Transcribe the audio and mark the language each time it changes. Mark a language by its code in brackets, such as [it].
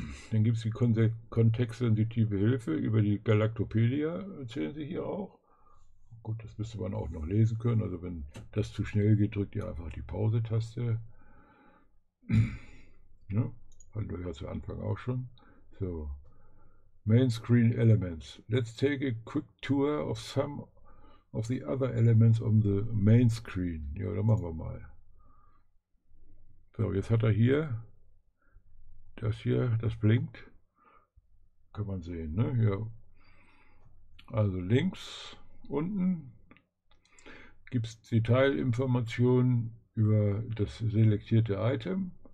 [de] Dann gibt es die kontextsensitive Hilfe über die Galactopedia, erzählen Sie hier auch. Gut, das müsste man auch noch lesen können. Also wenn das zu schnell geht, drückt ihr einfach die Pause-Taste. Ja, hatten wir ja zu Anfang auch schon. [en] So. Main Screen Elements. Let's take a quick tour of some of the other elements on the Main Screen. [de] Ja, dann machen wir mal. So, jetzt hat er hier. Das hier, das blinkt, kann man sehen, ne? Ja. Also links unten gibt es Detailinformationen über das selektierte Item.